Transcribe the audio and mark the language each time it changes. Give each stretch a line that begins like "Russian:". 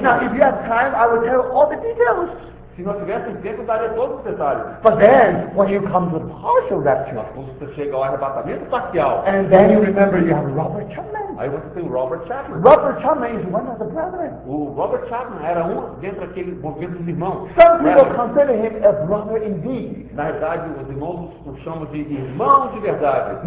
English: now, if you have time, I will tell all the details.
Portuguese: Se nós tivéssemos tempo, eu daria todos os detalhes.
English: But then, when you come to the partial rapture,
Portuguese: mas quando você chega ao arrebatamento parcial,
English: and then you remember you have Robert Chapman.
Portuguese: Aí você tem o Robert Chapman.
English: Robert Chapman is one of the brethren.
Portuguese: O Robert Chapman era um dentro daquele movimento dos irmãos.
English: Some people consider him a brother indeed.
Portuguese: Na verdade, os irmãos o chamam de irmão de verdade.